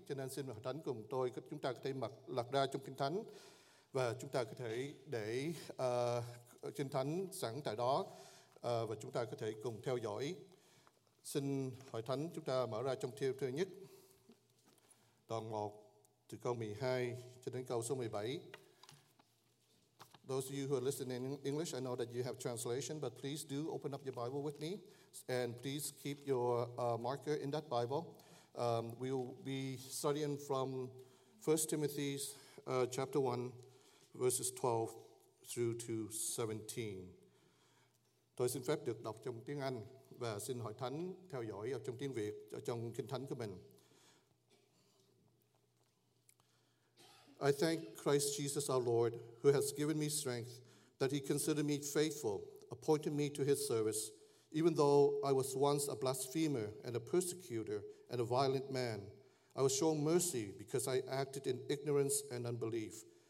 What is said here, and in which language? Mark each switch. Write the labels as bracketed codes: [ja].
[vi] Cho nên xin Hội Thánh cùng tôi, chúng ta có thể lật ra trong Kinh Thánh và chúng ta có thể để Kinh Thánh sẵn tại đó và chúng ta có thể cùng theo dõi. Xin Hội Thánh chúng ta mở ra trong Timôthê nhất, đoạn 1 từ câu 12 cho đến câu số 17. [en] Those of you who are listening in English, I know that you have translation, but please do open up your Bible with me, and please keep your marker in that Bible. We will be studying from 1 Timothy chapter 1, verses 12 through to 17. [vi] Tôi xin phép được đọc trong tiếng Anh và xin Hội Thánh theo dõi ở trong tiếng Việt ở trong Kinh Thánh của mình. [en] I thank Christ Jesus our Lord, who has given me strength, that he considered me faithful, appointed me to his service, even though I was once a blasphemer and a persecutor and a violent man. I was shown mercy because I acted in ignorance and unbelief.